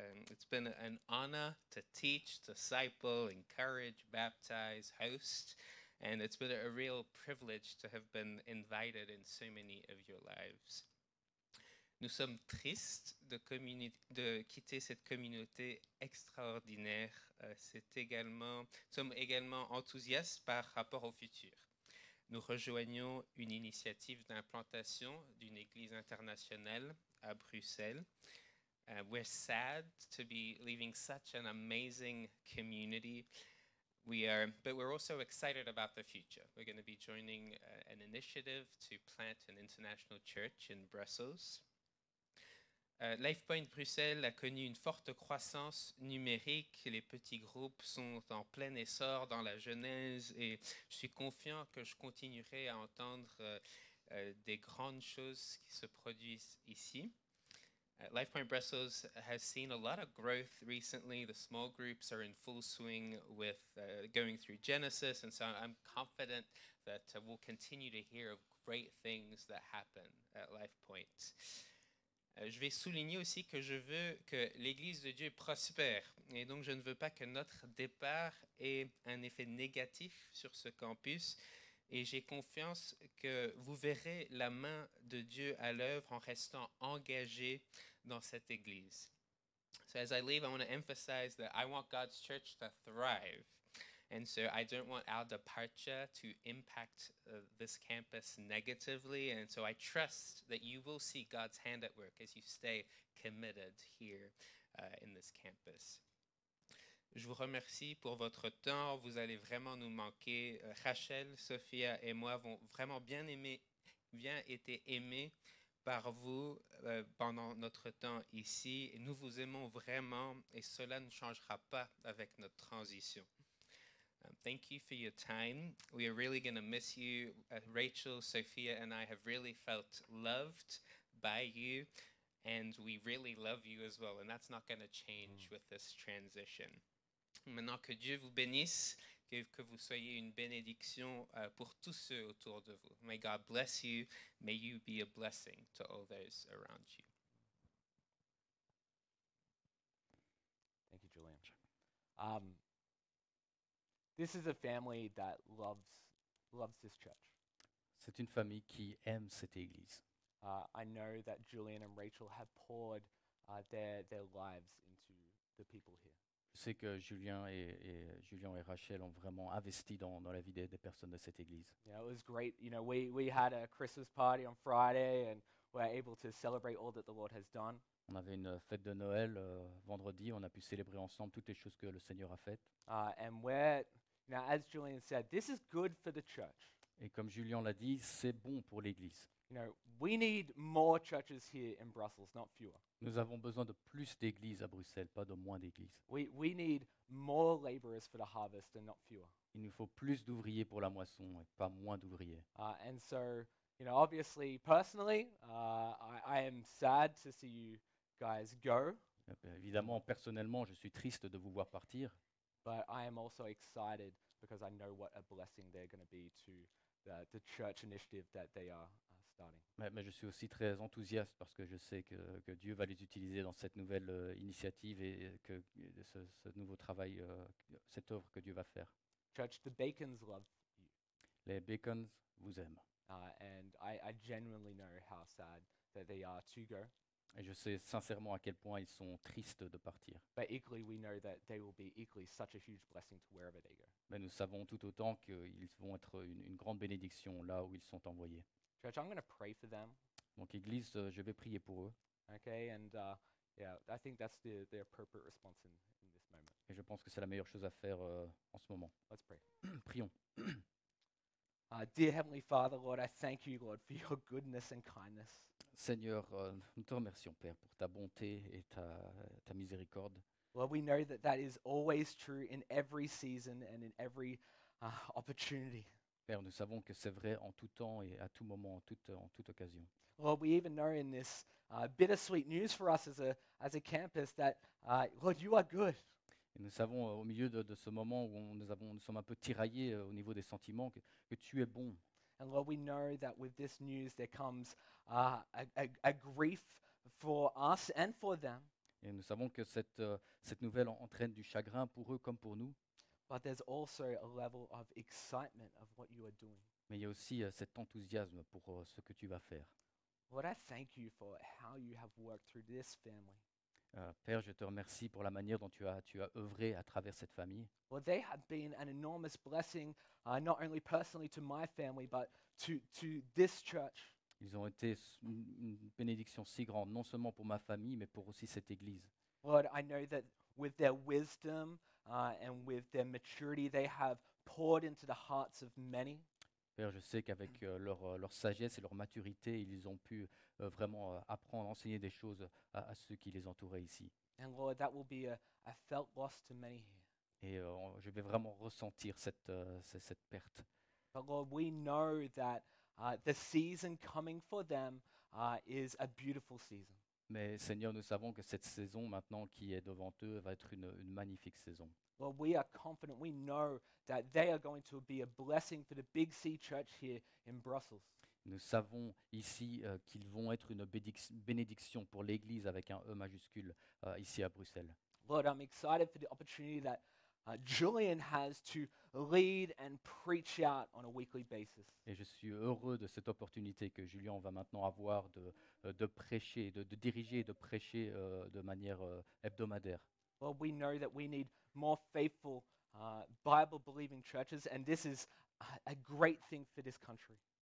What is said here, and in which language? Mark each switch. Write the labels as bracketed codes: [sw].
[en] It's been an honor to teach, disciple, encourage, baptize, host, and it's been a real privilege to have been invited in so many of your lives. [fr] Nous sommes tristes de quitter cette communauté extraordinaire. Nous sommes également enthousiastes par rapport au futur. Nous rejoignons une initiative d'implantation d'une église internationale à Bruxelles. [en] We're sad to be leaving such an amazing community. But we're also excited about the future. We're going to be joining an initiative to plant an international church in Brussels. [fr] LifePoint Bruxelles a connu une forte croissance numérique. Les petits groupes sont en plein essor dans la Genèse et je suis confiant que je continuerai à entendre des grandes choses qui se produisent ici. [en] LifePoint Brussels has seen a lot of growth recently. The small groups are in full swing with going through Genesis, and so I'm confident that we'll continue to hear of great things that happen at LifePoint. [fr] Je vais souligner aussi que je veux que l'Église de Dieu prospère. Et donc, je ne veux pas que notre départ ait un effet négatif sur ce campus. Et j'ai confiance que vous verrez la main de Dieu à l'œuvre en restant engagé dans cette Église. [en] So as I leave, I want to emphasize that I want God's church to thrive. And so I don't want our departure to impact this campus negatively. And so I trust that you will see God's hand at work as you stay committed here in this campus. [fr] Je vous remercie pour votre temps. Vous allez vraiment nous manquer. Rachel, Sophia et moi avons vraiment bien été aimés. Par vous pendant notre temps ici. Et nous vous aimons vraiment et cela ne changera pas avec notre transition. [en] Thank you for your time. We are really going to miss you. Rachel, Sophia and I have really felt loved by you and we really love you as well. And that's not going to change with this transition. [fr] Maintenant que Dieu vous bénisse, que vous soyez une bénédiction pour tous ceux autour de vous. [en] May God bless you. May you be a blessing to all those around you. Thank you, Julian. This is a family that loves this church. [fr] C'est une famille qui aime cette église. [en] I know that Julian and Rachel have poured their lives into the people here. [fr] Je sais que Julien et Rachel ont vraiment investi dans la vie des personnes de cette église. [en] Yeah, it was great. You know, we had a Christmas party on Friday and we're able to celebrate all that the Lord has done. [fr] On avait une fête de Noël vendredi, on a pu célébrer ensemble toutes les choses que le Seigneur a faites. [en] And as Julian said, this is good for the church. [fr] Et comme Julien l'a dit, c'est bon pour l'église. [en] You know, we need more churches here in Brussels, not fewer. [fr] Nous avons besoin de plus d'églises à Bruxelles, pas de moins d'églises. [en] We need more laborers for the harvest and not fewer. [fr] Il nous faut plus d'ouvriers pour la moisson et pas moins d'ouvriers. [en] And so, you know, obviously, personally, I am sad to see you guys go. [fr] Évidemment, personnellement, je suis triste de vous voir partir. [en] But I am also excited because I know what a blessing they're going to be to the church initiative that they are. [fr] Mais je suis aussi très enthousiaste parce que je sais que Dieu va les utiliser dans cette nouvelle initiative et que ce nouveau travail, cette œuvre que Dieu va faire. [en] Church, the Bacons love you. [fr] Les Bacons vous aiment. [en] And I genuinely know how sad that they are to go. [fr] Et je sais sincèrement à quel point ils sont tristes de partir. [en] But equally, we know that they will be equally such a huge blessing to wherever they go. [fr] Mais nous savons tout autant qu'ils vont être une grande bénédiction là où ils sont envoyés. [en] Church, I'm going to pray for them. [fr] Donc, Église, je vais prier pour eux. [en] Okay, and yeah, I think that's the appropriate response in this moment. [fr] Et je pense que c'est la meilleure chose à faire en ce moment. [en] Let's pray. [fr] Prions. [en] Dear Heavenly Father, Lord, I thank you, Lord, for your goodness and kindness. [fr] Seigneur, nous te remercions, Père, pour ta bonté et ta miséricorde. [en] Lord, we know that is always true in every season and in every opportunity. [fr] Père, nous savons que c'est vrai en tout temps et à tout moment, en toute occasion. [en] Lord, we even know in this bittersweet news for us as a campus that Lord, you are good. [fr] Et nous savons au milieu de ce moment où nous sommes un peu tiraillés au niveau des sentiments que tu es bon. [en] And Lord, we know that with this news there comes a grief for us and for them. [fr] Et nous savons que cette nouvelle entraîne du chagrin pour eux comme pour nous. [en] But there's also a level of excitement of what you are doing. [fr] Mais il y a aussi cet enthousiasme pour ce que tu vas faire. [en] Lord, I thank you for how you have worked through this family. [fr] Père, je te remercie pour la manière dont tu as œuvré à travers cette famille. [en] Well, they have been an enormous blessing, not only personally to my family, but to this church. [fr] Ils ont été une bénédiction si grande, non seulement pour ma famille, mais pour aussi cette église. [en] Lord, I know that with their wisdom. And with their maturity, they have poured into the hearts of many. [fr] Père, je sais qu'avec leur sagesse et leur maturité, ils ont pu vraiment apprendre, enseigner des choses à ceux qui les entouraient ici. [en] And Lord, that will be a felt loss to many here. [fr] Et je vais vraiment ressentir cette perte. [en] But Lord, we know that the season coming for them is a beautiful season. [fr] Mais Seigneur, nous savons que cette saison maintenant qui est devant eux va être une magnifique saison. [en] Well, we are confident, we know that they are going to be a blessing for the Big C Church here in Brussels. [fr] Nous savons ici qu'ils vont être une bénédiction pour l'Église avec un E majuscule ici à Bruxelles. [en] Lord, I'm excited for the opportunity that Julian has to lead and preach out on a weekly basis. [fr] Et je suis heureux de cette opportunité que Julian va maintenant avoir de prêcher, de diriger et de prêcher de manière hebdomadaire. [en] Well, we know that we need more faithful Bible-believing churches, and this is a great thing for this country.